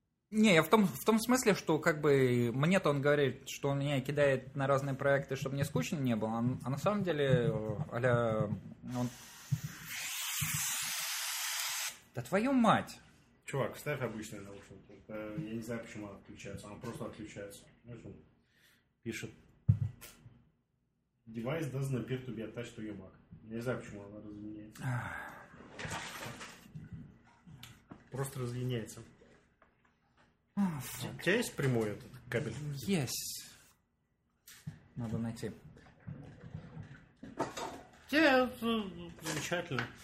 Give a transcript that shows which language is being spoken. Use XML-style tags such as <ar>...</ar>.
<ru>Не, я в том смысле, что как бы мне-то он говорит, что он меня кидает на разные проекты, чтобы мне скучно не было, а на самом деле, а-ля, он... Да твою мать! Чувак, ставь обычный наушник. Это, я не знаю, почему он отключается. Он просто отключается. Пишет. Девайс должен</ru> <en>appear to be attached to your Mac.</en> <ru>Не знаю, почему она разлиняется. Просто разлиняется. У тебя есть прямой этот кабель? Есть. Надо найти. Это замечательно.</ru>